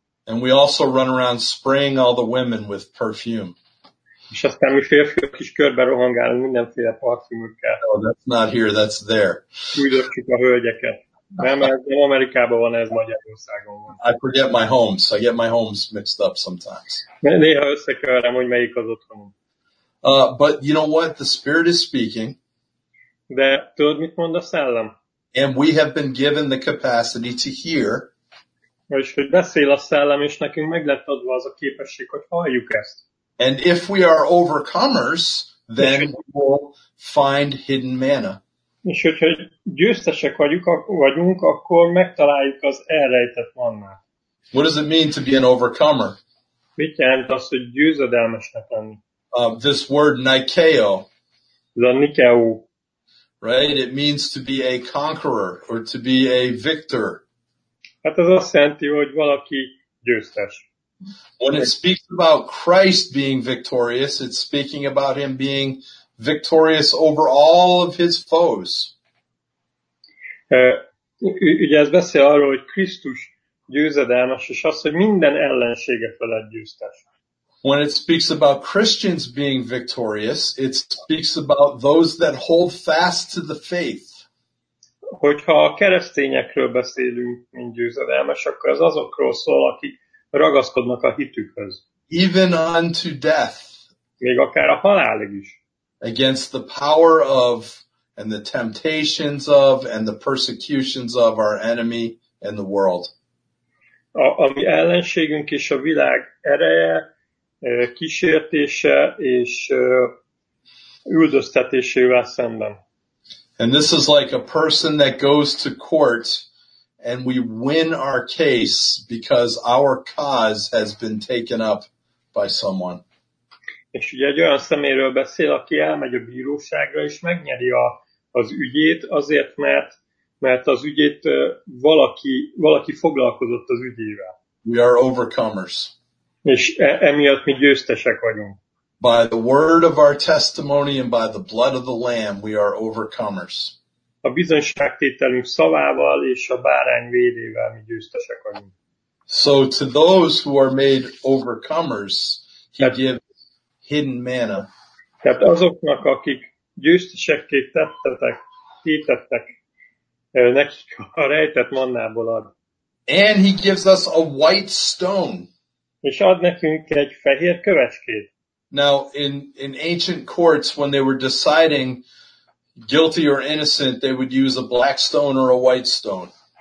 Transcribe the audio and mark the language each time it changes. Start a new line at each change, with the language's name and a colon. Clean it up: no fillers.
English: And we also run around spraying all the women with perfume.
Hungarian: És aztán mi férfiak is körbe rohangálunk mindenféle parfümökkel.
English: No, that's not here, that's there.
Hungarian: Üldözzük a hölgyeket. Nem, nem Amerikában van, ez Magyarországon van.
English: I forget my homes. I get my homes mixed up sometimes.
Hungarian: Néha összekeverem, hogy melyik az otthonom.
English: But you know what? The Spirit is speaking.
Hungarian: De tudod, mit mond a szellem?
English: And we have been given the capacity to hear.
Hungarian: És hogy beszél a szellem, és nekünk meg lett adva az a képesség, hogy halljuk ezt.
English: And if we are overcomers, then we will find hidden manna.
Hungarian: És hogyha győztesek vagyunk, akkor megtaláljuk az elrejtett mannát.
English: What does it mean to be an overcomer?
Hungarian: Mit jelent az, hogy győzedelmesnek lenni?
English: This word nikeo. La nikeo. Right? It means to be a conqueror or to be a victor.
Hungarian: Hát ez azt jelenti, hogy valaki győztes.
English: When it speaks about Christ being victorious, it's speaking about him being victorious over all of his foes.
Hungarian: Ugye ez beszél arról, hogy Krisztus győzedelmes, és az, hogy minden ellensége felett győztes.
English: When it speaks about Christians being victorious, it speaks about those that hold fast to the faith.
Hungarian: Hogyha a keresztényekről beszélünk, mint győzedelmes, akkor az azokról szól, akik ragaszkodnak a hitükhöz.
English: Even unto death.
Hungarian: Még akár a halálig is.
English: Against the power of and the temptations of and the persecutions of our enemy and the world.
Hungarian: A mi ellenségünk és a világ ereje, kísértése és üldöztetésével szemben.
English: And this is like a person that goes to court. And we win our case because our cause has been taken up by someone.
Hungarian: És ugye egy olyan szeméről beszél, aki elmegy a bíróságra és megnyeri az ügyét, azért mert az ügyét valaki foglalkozott az ügyével.
English: We are overcomers.
Hungarian: És emiatt mi győztesek vagyunk.
English: By the word of our testimony and by the blood of the Lamb, we are overcomers.
Hungarian: A bizonyságtételünk szavával és a bárány vérével mi győztesek vagyunk.
English: So to those who are made overcomers, he gives hidden manna.
Hungarian: Tehát azoknak, akik győztesekké tettek, nekik a rejtett mannából ad.
English: And he gives us a white stone.
Hungarian: És ad nekünk egy fehér kövecskét.
English: Now in ancient courts when they were deciding guilty or innocent, they would use a black stone or a white stone.